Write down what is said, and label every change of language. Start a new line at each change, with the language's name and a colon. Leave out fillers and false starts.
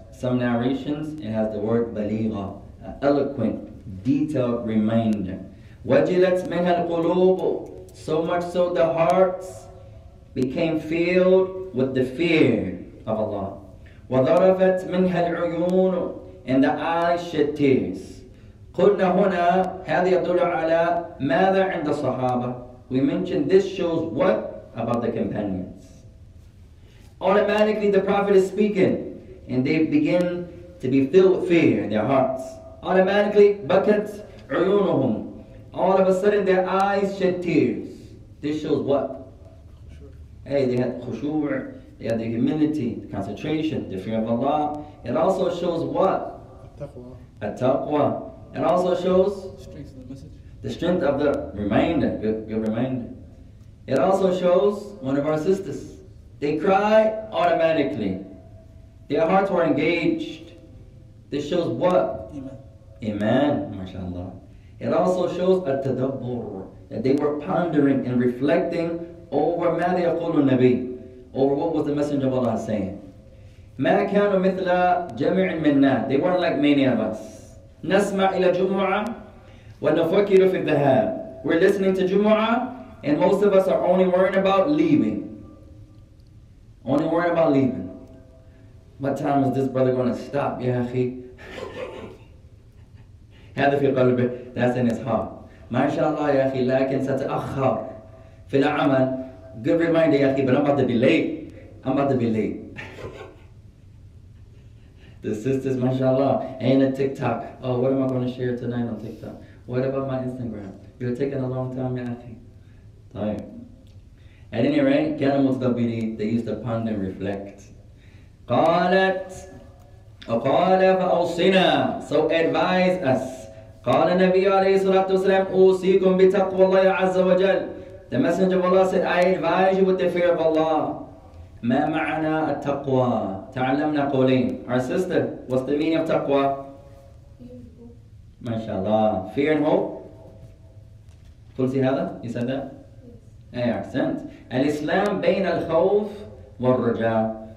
English: Some narrations it has the word بليغة. Eloquent, detailed reminder.
Arabic: وجلت منها القلوب,
English: so much so the hearts became filled with the fear of Allah.
Arabic: وضربت منها العيون,
English: and the eyes shed tears.
Arabic: قلنا هنا هذا يدل على ماذا عند الصحابة.
English: We mentioned this shows what about the companions. Automatically the Prophet is speaking and they begin to be filled with fear in their hearts.
Arabic: Automatically, بكت عيونهم.
English: All of a sudden their eyes shed tears. This shows what? Hey, they had khushu', they had the humility, the concentration, the fear of Allah. It also shows what? At-taqwa. It also shows? Strength of the message. The strength of the reminder, good reminder. It also shows one of our sisters. They cry automatically. Their hearts were engaged. This shows what? Iman. Iman, mashallah. It also shows at-tadabbur, that they were pondering and reflecting over
Arabic: ماذا يقول النبي,
English: over what was the Messenger of Allah saying.
Arabic: ما كانوا مثل جميع منا,
English: they weren't like many of us.
Arabic: نسمع إلى جمعة ونفكر في الذهاب.
English: We're listening to Jumu'ah, and most of us are only worrying about leaving. Only worrying about leaving. What time is this brother going to stop, يا أخي?
Arabic: هذا في قلبه,
English: that's in his heart.
Arabic: ما شاء الله يا أخي, لكن ستأخر في العمل.
English: Good reminder, ya akhi, but I'm about to be late. I'm about to be late. The sisters, mashallah, ain't a TikTok. Oh, what am I going to share tonight on TikTok? What about my Instagram? You're taking a long time, ya akhi. Time. At any rate,
Arabic: كانوا مستبدين,
English: they used to ponder and reflect.
Arabic: قالت, وقال فأوصنا,
English: so advise us.
Arabic: قال النبي عليه الصلاة والسلام, أوصيكم بتقوى الله عز وجل.
English: The Messenger of Allah said, I advise you with the fear of Allah.
Arabic: ما معنى التقوى؟ تعلمنا قولين.
English: Our sister, what's the meaning of تقوى? Fear and hope. MashaAllah. Fear and hope?
Arabic: قلتي هذا؟
English: You said that? Yes.
Arabic: أي accent. الإسلام بين الخوف والرجاء.